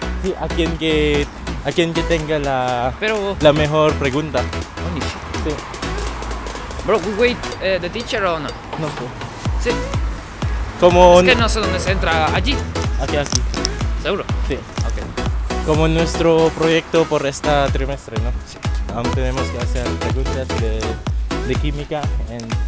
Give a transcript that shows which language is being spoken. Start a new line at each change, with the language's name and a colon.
Spanish: Sí, a quien que tenga la mejor pregunta.
English: Holy shit.
Spanish: Sí.
English: Bro, we wait the teacher or no?
Spanish: No. Sí. Como es que no sé dónde se entra, allí. Aquí. ¿Seguro? Sí. Ok. Como nuestro proyecto por este trimestre, ¿no? Sí. Aún tenemos que hacer preguntas de química en